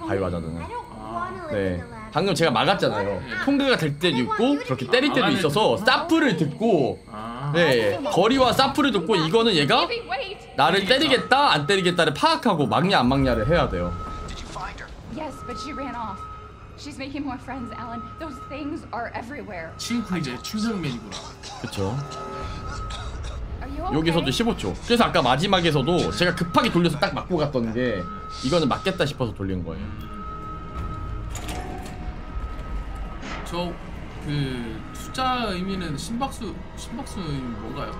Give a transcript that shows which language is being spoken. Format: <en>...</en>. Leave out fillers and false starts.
<ko>바이오하자드는. 아. 네. 방금 제가 막았잖아요. 통과가 될 때도 있고 그렇게 때릴 때도 있어서 사프를 듣고 네. 거리와 사프를 듣고 이거는 얘가 나를 때리겠다 안 때리겠다를 파악하고 막냐 안 막냐를 해야 돼요.</ko> <en>Yes, but she ran off. She's making more friends, Alan. Those things are everywhere.</en> <ko>친구이제 충성맨이구나. 그쵸. 여기서도 15초. 그래서 아까 마지막에서도 제가 급하게 돌려서 딱 맞고 갔던 게 이거는 맞겠다 싶어서 돌린 거예요. 저 그 숫자 의미는 심박수 의미는 뭔가요?</ko>